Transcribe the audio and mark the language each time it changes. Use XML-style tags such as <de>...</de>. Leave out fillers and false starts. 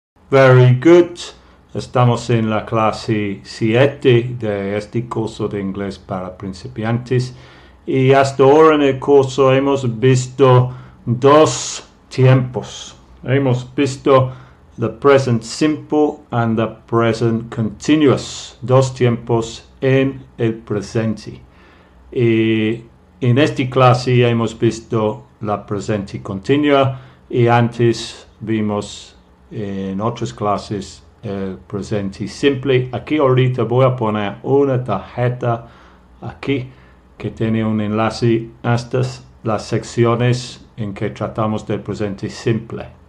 <es>Very good. Estamos en la clase 7 de este curso de inglés para principiantes. Y hasta ahora en el curso hemos visto dos tiempos.</es> <en>Hemos visto the present simple and the present continuous.</en> <es>Dos tiempos en el presente. Y en esta clase hemos visto la presente continua. Y antes vimos en otras clases el presente simple. Aquí ahorita voy a poner una tarjeta aquí que tiene un enlace a estas las secciones en que tratamos del presente simple.</es>